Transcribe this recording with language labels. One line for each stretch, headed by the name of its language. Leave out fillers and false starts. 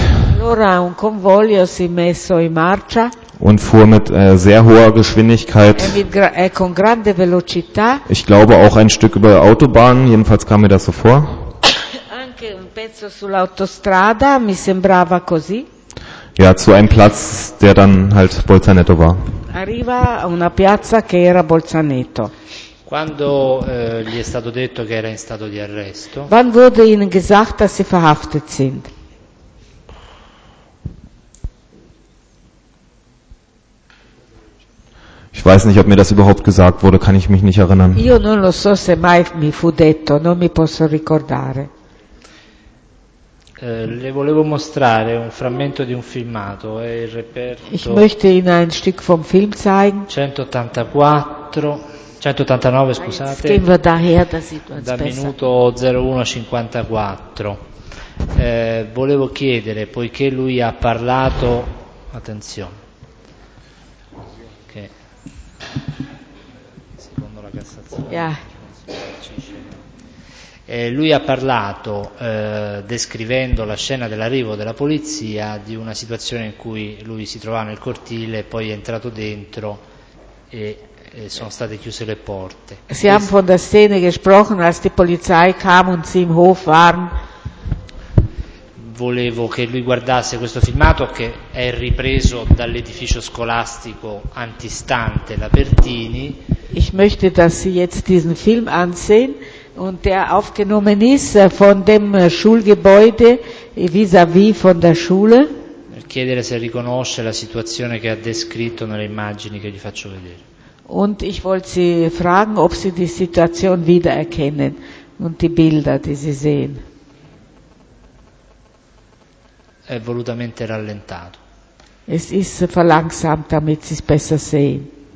Italian: Allora un convoglio si è messo in marcia.
German: Und fuhr mit sehr hoher Geschwindigkeit.
Italian: Con grande velocità.
German: Ich glaube auch ein Stück über Autobahn, jedenfalls kam mir das so vor.
Italian: Anche un pezzo sull'autostrada mi sembrava così.
German: Ja, zu einem Platz, der dann halt Bolzaneto war.
Italian: Arriva a una piazza che era Bolzaneto. Quando gli è stato detto che era in stato di arresto.
German: Wann wurde ihnen gesagt, dass sie verhaftet sind? Ich weiß nicht, ob mir das überhaupt gesagt wurde, kann ich mich nicht erinnern.
Italian: Io non lo so se mai mi fu detto, non mi posso ricordare. Le volevo mostrare un frammento di un filmato e il reperto.
German: Ich möchte Ihnen ein Stück vom Film zeigen.
Italian: 189, scusate. Scrive da hier da situazione. Da minuto 01:54. Volevo chiedere, poiché lui ha parlato, attenzione. Secondo la Cassazione. Yeah. Lui ha parlato, descrivendo la scena dell'arrivo della polizia, di una situazione in cui lui si trovava nel cortile, poi è entrato dentro e sono state chiuse le porte.
German: Sie haben von der Szene gesprochen, als die Polizei kam und sie im Hof waren.
Italian: Volevo che lui guardasse questo filmato, che è ripreso dall'edificio scolastico antistante la Pertini.
German: Ich möchte, dass Sie jetzt diesen Film ansehen und der aufgenommen ist von dem Schulgebäude vis-à-vis von der Schule.
Italian: Per chiedere se riconosce la situazione che ha descritto nelle immagini che gli faccio vedere.
German: Und ich wollte Sie fragen, ob Sie die Situation wiedererkennen und die Bilder, die Sie sehen.
Italian: È volutamente rallentato.
German: Es ist verlangsamt, damit Sie es besser sehen.